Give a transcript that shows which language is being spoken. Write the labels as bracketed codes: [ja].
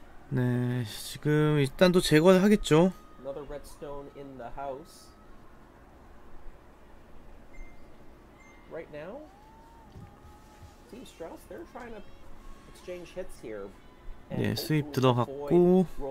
[ko] 네, 지금 일단 또 제거를 하겠죠. [en] another redstone in the house. Right now, Team Strauss, they're trying to exchange hits here. [ko] And 네, 스윕 들어갔고.